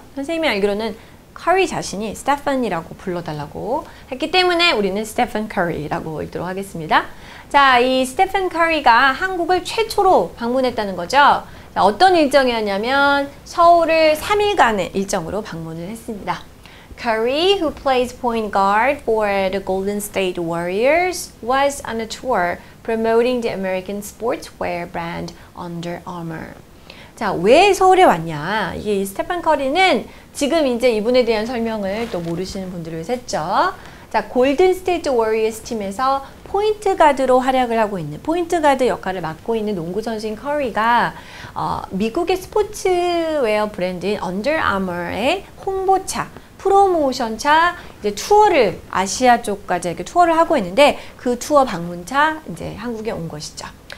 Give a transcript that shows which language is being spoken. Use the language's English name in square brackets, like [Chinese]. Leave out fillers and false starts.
[Korean] 선생님이 알기로는 커리 자신이 스테픈이라고 불러달라고 했기 때문에 우리는 스테픈 커리라고 읽도록 하겠습니다. 자, 이 스테픈 커리가 한국을 최초로 방문했다는 거죠. 자, 어떤 일정이었냐면 서울을 3일간의 일정으로 방문을 했습니다. [English] Curry, who plays point guard for the Golden State Warriors, was on a tour promoting the American sportswear brand Under Armour. [Korean] 자, 왜 서울에 왔냐? 이 스테판 커리는 지금 이제 이분에 대한 설명을 또 모르시는 분들을 했죠. 자, 골든 스테이트 워리어스 팀에서 포인트 가드로 활약을 하고 있는 포인트 가드 역할을 맡고 있는 농구 선수인 커리가 미국의 스포츠웨어 브랜드인 언더아머의 홍보차, 프로모션차 이제 투어를 아시아 쪽까지 이렇게 투어를 하고 있는데 그 투어 방문차 이제 한국에 온 것이죠.